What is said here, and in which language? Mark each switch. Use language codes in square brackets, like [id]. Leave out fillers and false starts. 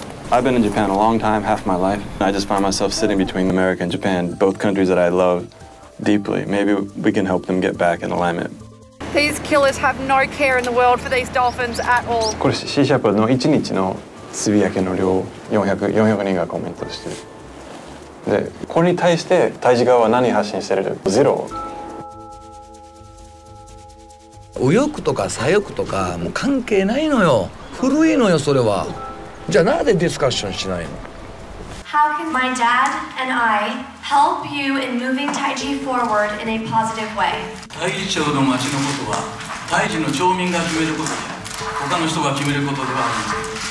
[en] I've been in Japan a long time, half my life. I just find myself sitting between America and Japan, both countries that I love deeply. Maybe we can help them get back in alignment. These killers have no care in the world for these dolphins at all. [ja] これ C シャープの1日のつぶやきの量400人がコメントしてる。で、これに対してタイジ側は何発信してる？ゼロ。右翼とか左翼とかもう関係ないのよ。古いのよそれは。じゃあなんでディスカッションしないの？ [en] How can my dad and I help you in moving Taiji forward in a positive way? [ja] 大事町の町のことは大事の町民が決めることで、他の人が決めることではありません。